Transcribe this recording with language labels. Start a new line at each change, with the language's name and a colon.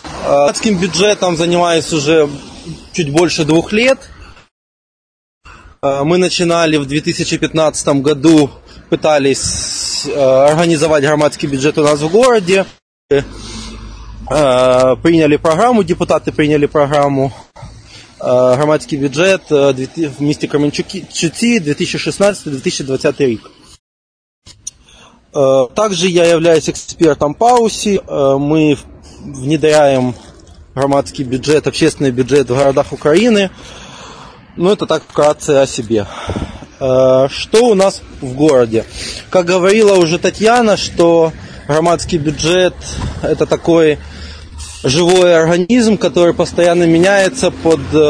Russian: Городским бюджетом занимаюсь уже чуть больше 2 лет. Мы начинали в 2015 году, пытались организовать громадский бюджет у нас в городе. Приняли программу, депутаты приняли программу.
Ukrainian: громадський бюджет в місті Кременчуці 2016-2020 рік.
Russian: Также я являюсь экспертом ПАУСИ. Мы внедряем громадский бюджет, общественный бюджет в городах Украины. Ну, это так вкратце о себе. Что у нас в городе? Как говорила уже Татьяна, что громадский бюджет – это такой живой организм, который постоянно меняется под